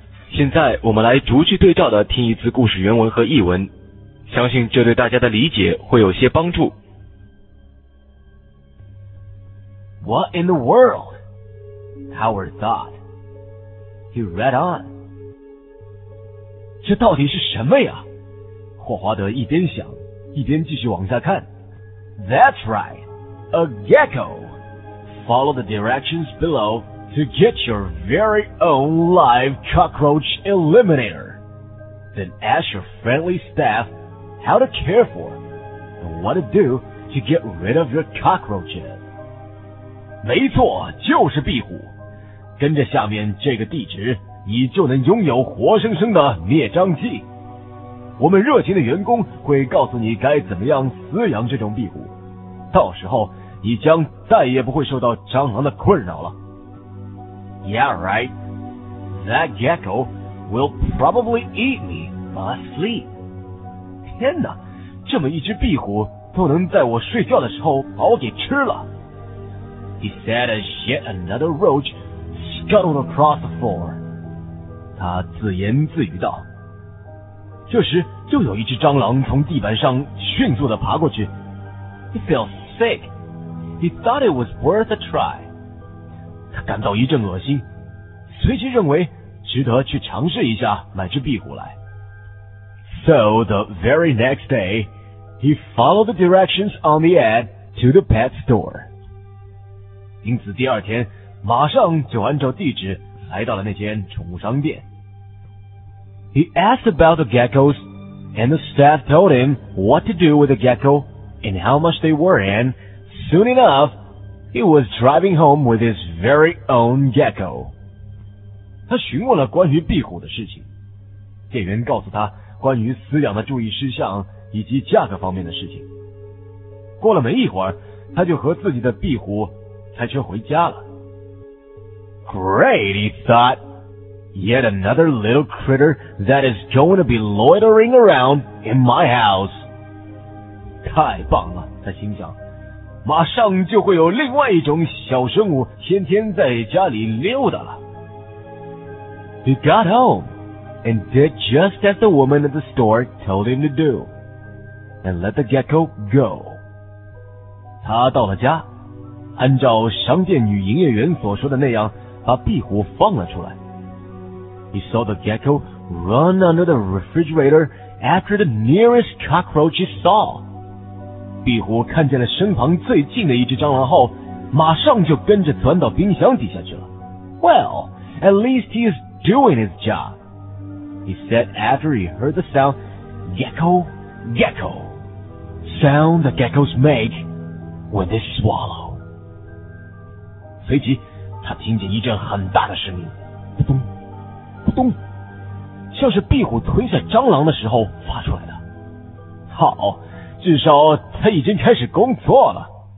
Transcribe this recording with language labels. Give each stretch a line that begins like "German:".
Chinese: 现在我们来逐句对照的听一次故事原文和译文，相信这对大家的理解会有些帮助。
English: What in the world? Howard thoughtHe read on.
Chinese: 这到底是什么呀？霍华德一边想，一边继续往下看。
English: That's right, a gecko. Follow the directions below to get your very own live cockroach eliminator. Then ask your friendly staff how to care for it and what to do to get rid of your cockroaches.
Chinese: 没错，就是壁虎。跟着下面这个地址，你就能拥有活生生的灭蟑剂。我们热情的员工会告诉你该怎么样饲养这种壁虎，到时候你将再也不会受到蟑螂的困扰了。
English: Yeah right, that gecko will probably eat me while I sleep.
Chinese: 天哪，这么一只壁虎都能在我睡觉的时候把我给吃了。
English: He said as yet another roach scuttled across the floor.
Chinese: 他自言自语道。这时就有一只蟑螂从地板上迅速地爬过去。
English: He felt sick. He thought it was worth a try.
Chinese: 他感到一阵恶心，随即认为值得去尝试一下买只壁虎来。
English: So the very next day, he followed the directions on the ad to the pet store.
Chinese: 因此第二天马上就按照地址来到了那间宠物商店。
English: He asked about the geckos, and the staff told him what to do with the gecko and how much they were, and soon enough, he was driving home with his very own gecko.
Chinese: 他询问了关于壁虎的事情，店员告诉他关于饲养的注意事项以及价格方面的事情。过了没一会儿，他就和自己的壁虎开车回家了。
English: Great, he thought. Yet another little critter that is going to be loitering around in my house.
Chinese: 太棒了，他心想，马上就会有另外一种小生物天天在家里溜达了。
English: He got home and did just as the woman at the store told him to do, and let the gecko go.
Chinese: 他到了家，按照商店女营业员所说的那样，把壁虎放了出来。
English: He saw the gecko run under the refrigerator after the nearest cockroach he saw.
Chinese: 壁虎看见了身旁最近的一只蟑螂后，马上就跟着钻到冰箱底下去了。
English: Well, at least he is doing his job. He said after he heard the sound, gecko, gecko, sound the geckos make when they swallow.
Chinese: 随即，他听见一阵很大的声音，咚咚。咕咚，像是壁虎吞下蟑螂的时候发出来的。好，至少他已经开始工作了。